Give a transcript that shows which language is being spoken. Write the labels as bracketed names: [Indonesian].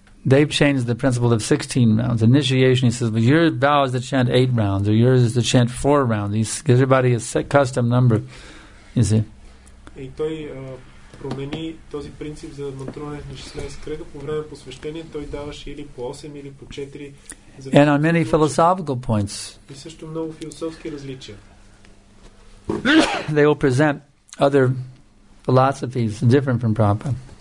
[English] They've changed the principle of 16 rounds. Initiation, he says, well, your vow is to chant 8 rounds, or yours is to chant 4 rounds. He gives everybody a set custom number. You see? [Bulgarian] И той промени този принцип за мантруване на 16 кръга. По време посвещение той даваше или по 8, или по 4. [English] And on many philosophical points, [Bulgarian] и също много философски различия. [English] They will present other philosophies different from Prabhupada.